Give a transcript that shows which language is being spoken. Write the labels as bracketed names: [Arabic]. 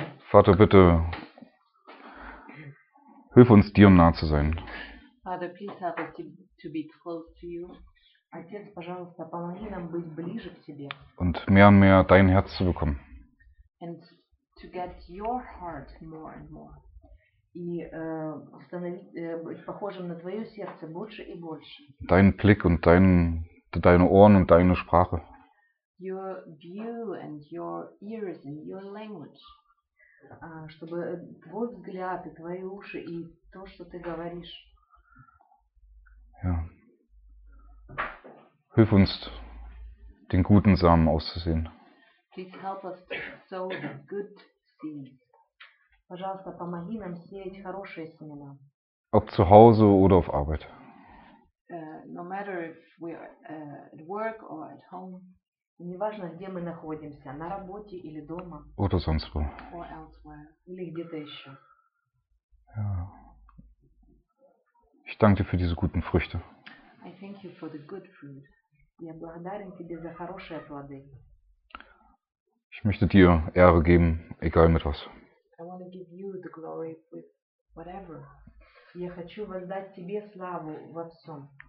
[German] Vater, bitte, hilf uns, dir nah zu sein. [English] Father, please help us to be close to you. [Russian] Отец, пожалуйста, помоги нам быть ближе к тебе. [German] Und mehr und mehr dein Herz zu bekommen. [English] And to get your heart more and more. [Russian] И становить похожим на твое сердце больше и больше. [German] Dein Blick und deine Ohren und deine Sprache. [English] Your view and your ears and your language. [Russian] Чтобы твой взгляд и твои уши и то, что ты говоришь. [German] Ja. Hilf uns, den guten Samen auszusehen. [English] Please help us to sow the good seeds. [Russian] Пожалуйста, помоги нам сеять хорошие семена. [German] Ob zu Hause oder auf Arbeit. [English] No matter if we are at work or at home. [Russian] Неважно, где мы находимся, на работе или дома. [German] Oder sonst wo. [English] Or elsewhere. [Russian] Или где-то еще. [German] Ja. Ich danke dir für diese guten Früchte. [English] I thank you for the good fruit. [Russian] Я благодарен тебе за хорошие плоды. [German] Ich möchte dir Ehre geben, egal mit was. [English] I want to give you the glory with whatever. [Russian] Я хочу воздать тебе славу во всем.